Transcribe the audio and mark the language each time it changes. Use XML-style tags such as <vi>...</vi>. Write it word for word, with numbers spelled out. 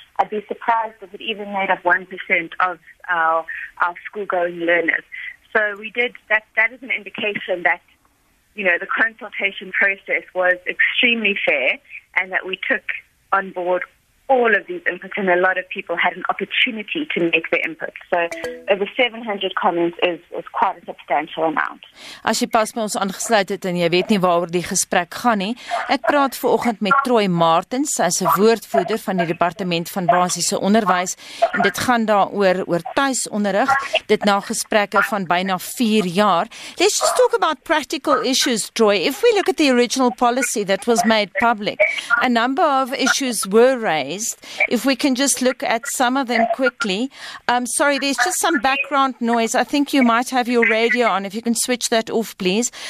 <en>I'd be surprised if it even made up one percent of our, our school-going learners. So we did, that, that is an indication that, you know, the consultation process was extremely fair and that we took on board all of these inputs, and a lot of people had an opportunity to make their input. So over seven hundred comments is, is quite a substantial amount.</en> <af>As jy pas by ons aangesluit het en jy weet nie waaroor die gesprek gaan nie, ek praat vanoggend met Troy Martens, sy is 'n woordvoerder van die departement van basiese onderwys, en dit gaan daaroor oor tuisonderrig, dit na gesprekke van byna vier jaar.</af> <en>Let's just talk about practical issues, Troy. If we look at the original policy that was made public, a number of issues were raised. If we can just look at some of them quickly. Um, sorry, there's just some background noise. I think you might have your radio on. If you can switch that off, please.</en>